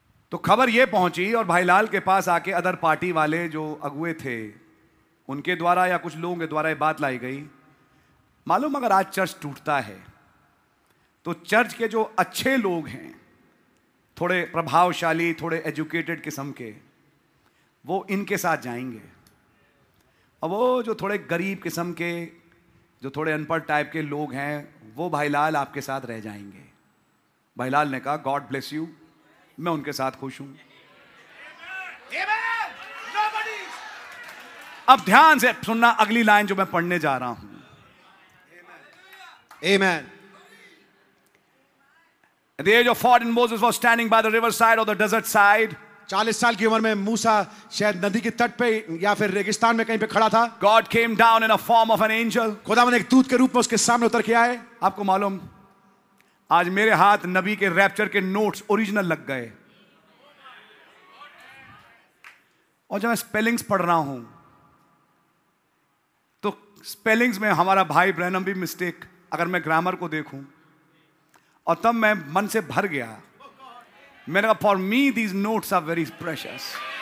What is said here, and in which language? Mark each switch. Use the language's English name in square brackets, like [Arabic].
[Hindi] तो खबर ये पहुंची और भाई लाल के पास आके अदर पार्टी वाले जो अगुए थे उनके द्वारा या कुछ लोगों के द्वारा ये बात लाई गई, मालूम अगर आज चर्च टूटता है तो चर्च के जो अच्छे लोग हैं, थोड़े प्रभावशाली, थोड़े एजुकेटेड किस्म के, वो इनके साथ जाएंगे, और वो जो थोड़े गरीब किस्म के, जो थोड़े अनपढ़ टाइप के लोग हैं, वो भाई लाल आपके साथ रह जाएंगे। भाई लाल ने कहा, [English] God bless you, [Hindi] मैं उनके साथ खुश हूं। अब ध्यान से सुनना अगली लाइन जो मैं पढ़ने जा रहा हूं। आमेन। [English] At the age of 40, Moses was standing by the riverside or the desert side. [Hindi] 40 साल की उम्र में मूसा शायद नदी के तट पे या फिर रेगिस्तान में कहीं पे खड़ा था। [English] God came down in a form of an angel. [Hindi] खुदा ने एक दूत के रूप में उसके सामने उतर के आए। आपको मालूम आज मेरे हाथ नबी के रैप्चर के नोट्स ओरिजिनल लग गए, और जब मैं स्पेलिंग्स पढ़ रहा हूं तो स्पेलिंग्स में हमारा भाई ब्रैनम भी मिस्टेक, अगर मैं ग्रामर को देखूं, और तब मैं मन से भर गया, मैंने कहा [English] for me these notes are very precious,